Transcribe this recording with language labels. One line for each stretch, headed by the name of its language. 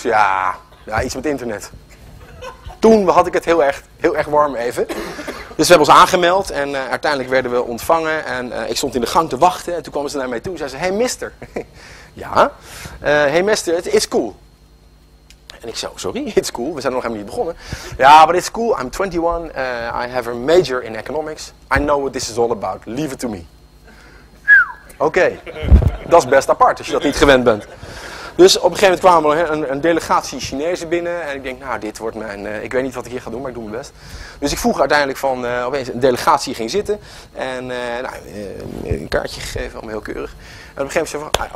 Dutch: Ja, iets met internet. Toen had ik het heel erg warm even. Dus we hebben ons aangemeld en uiteindelijk werden we ontvangen. En ik stond in de gang te wachten en toen kwamen ze naar mij toe en zeiden ze,
English: hey mister.
Dutch: Ja,
English: hey mister, it's cool.
Dutch: En ik zei,
English: sorry, it's cool,
Dutch: we zijn nog helemaal niet begonnen.
English: Ja, but it's cool, I'm 21, I have a major in economics. I know what this is all about, leave it to me.
Dutch: Oké, dat is best apart als je dat niet gewend bent. Dus op een gegeven moment kwamen er een delegatie Chinezen binnen. En ik denk, nou, dit wordt mijn... ik weet niet wat ik hier ga doen, maar ik doe mijn best. Dus ik vroeg uiteindelijk van... opeens een delegatie ging zitten. En een kaartje gegeven, allemaal heel keurig. En op een gegeven moment zei van...